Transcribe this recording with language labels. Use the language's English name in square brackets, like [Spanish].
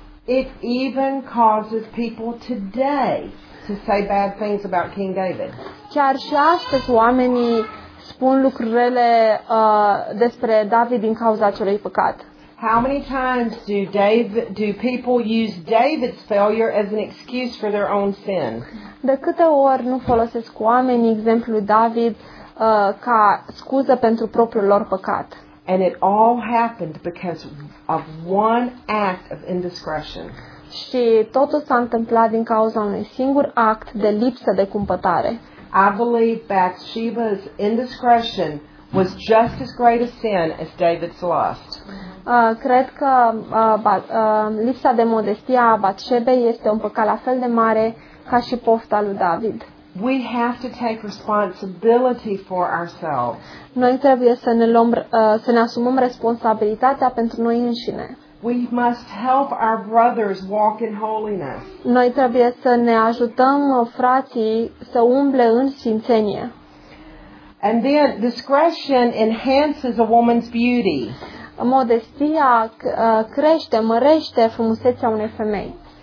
[English] It even causes people today to say bad things about King David. [Romanian] Chiar și astăzi oamenii spun lucrurile despre David din cauza acelui păcat. [English] How many times do people use David's failure as an excuse for their own sin? [Romanian] De câte ori nu folosesc oamenii exemplul lui David ca scuză pentru propriul lor păcat? [English] And it all happened because of one act of indiscretion. [Romanian] Și totul s-a întâmplat din cauza unui singur act de lipsă de cumpătare. [English] I believe Bathsheba's indiscretion was just as great a sin as David's lust. [Romanian] Cred că lipsa de modestie a Bathsheba este un păcat la fel de mare ca și pofta lui David. [English] We have to take responsibility for ourselves. [Romanian] Noi trebuie să ne luăm să ne asumăm responsabilitatea pentru noi înșine. [English] We must help our brothers walk in holiness. [Romanian] Noi trebuie să ne ajutăm frații să umble în sfințenie. [English] And then discretion enhances a woman's beauty. [Romanian] Modestia crește, mărește frumusețea unei femei.